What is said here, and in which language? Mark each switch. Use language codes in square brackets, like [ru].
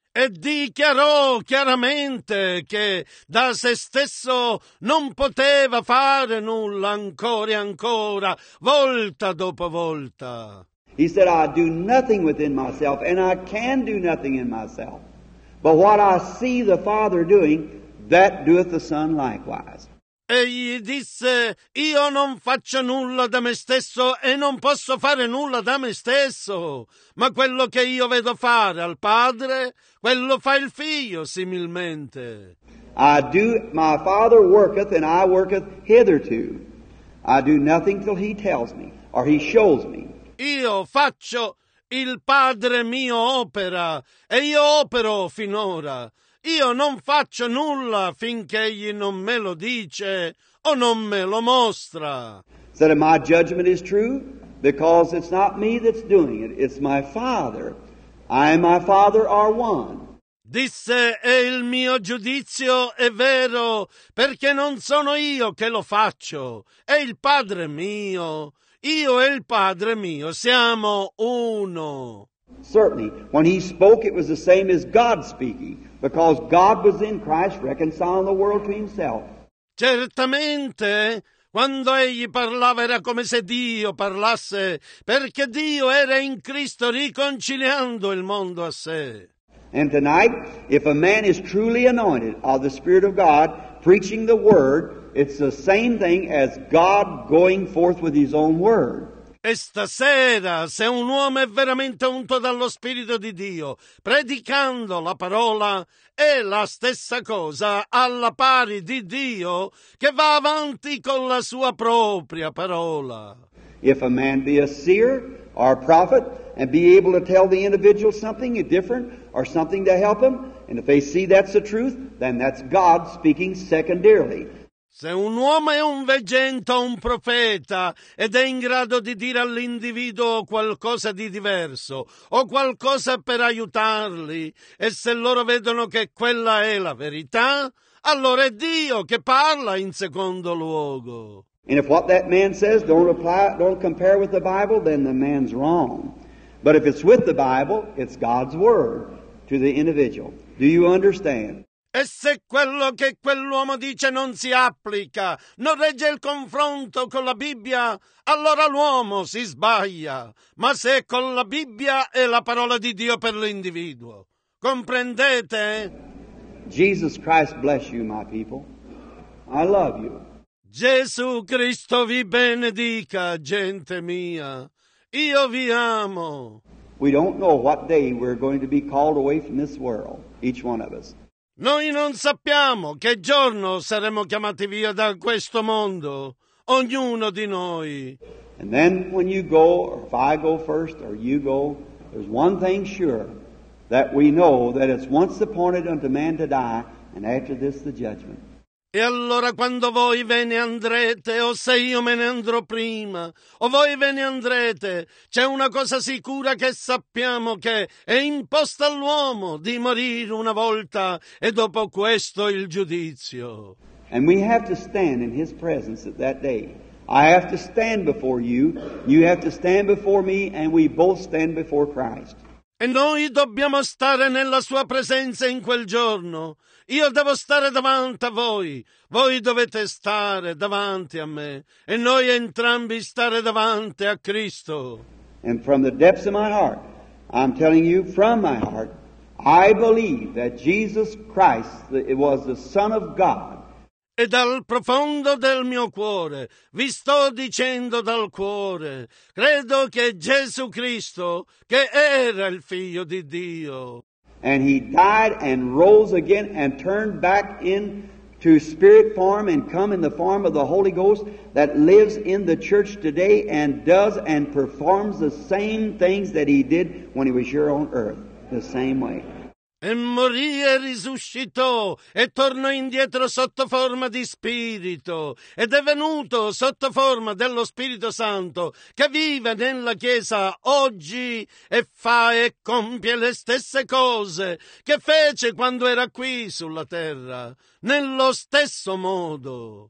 [it] E dichiarò chiaramente che da se stesso non poteva fare nulla ancora e ancora, volta dopo volta. [en] He said, I do nothing within myself, and I can do nothing in myself. But what I see the Father doing, that doeth the Son likewise. [it] egli disse: io non faccio nulla da me stesso e non posso fare nulla da me stesso, ma quello che io vedo fare al Padre, quello fa il Figlio similmente. [en] I do, my Father worketh and I worketh hitherto. I do nothing till he tells me or he shows me. [it] Io faccio, il Padre mio opera e io opero finora. Io non faccio nulla finché egli non me lo dice o non me lo mostra. [en] So that my judgment is true, because it's not me that's doing it, it's my Father. I and my Father are one. [it] Disse: e il mio giudizio è vero, perché non sono io che lo faccio, è il Padre mio. Io e il Padre mio siamo uno. [en] Certainly, when he spoke, it was the same as God speaking, because God was in Christ reconciling the world to himself. [it] Certamente, quando egli parlava era come se Dio parlasse, perché Dio era in Cristo riconciliando il mondo a sé. [en] And tonight, if a man is truly anointed of the Spirit of God, preaching the word, it's the same thing as God going forth with his own word. [it] E stasera, se un uomo è veramente unto dallo Spirito di Dio, predicando la parola, è la stessa cosa, alla pari di Dio, che va avanti con la sua propria parola. [en] If a man be a seer or a prophet, and be able to tell the individual something different or something to help him, and if they see that's the truth, then that's God speaking secondarily. [it] Se un uomo è un veggente o un profeta ed è in grado di dire all'individuo qualcosa di diverso o qualcosa per aiutarli, e se loro vedono che quella è la verità, allora è Dio che parla in secondo luogo. [en] And if what that man says don't compare with the Bible, then the man's wrong. But if it's with the Bible, it's God's word to the individual. Do you understand? [it] E se quello che quell'uomo dice non si applica, non regge il confronto con la Bibbia, allora l'uomo si sbaglia. Ma se con la Bibbia è la parola di Dio per l'individuo. Comprendete? [en] Jesus Christ bless you, my people. I love you. [it] Gesù Cristo vi benedica, gente mia. Io vi amo. [en] We don't know what day we're going to be called away from this world, each one of us. [it] Noi non sappiamo che giorno saremo chiamati via da questo mondo, ognuno di noi. [en] And then when you go, or if I go first, or you go, there's one thing sure, that we know that it's once appointed unto man to die, and after this the judgment. [it] E allora quando voi ve ne andrete, o se io me ne andrò prima, o voi ve ne andrete, c'è una cosa sicura che sappiamo che è imposta all'uomo di morire una volta e dopo questo il giudizio. [en] And we have to stand in his presence at that day. I have to stand before you, you have to stand before me, and we both stand before Christ. [it] E noi dobbiamo stare nella sua presenza in quel giorno. Io devo stare davanti a voi, voi dovete stare davanti a me, e noi entrambi stare davanti a Cristo. [en] And from the depths of my heart, I'm telling you from my heart, I believe that Jesus Christ was the Son of God. [it] E dal profondo del mio cuore, vi sto dicendo dal cuore, credo che Gesù Cristo, che era il Figlio di Dio. [en] And he died and rose again and turned back into spirit form and come in the form of the Holy Ghost that lives in the church today and does and performs the same things that he did when he was here on earth, the same way. [it] E morì e risuscitò e tornò indietro sotto forma di spirito ed è venuto sotto forma dello Spirito Santo che vive nella Chiesa oggi e fa e compie le stesse cose che fece quando era qui sulla terra, nello stesso modo.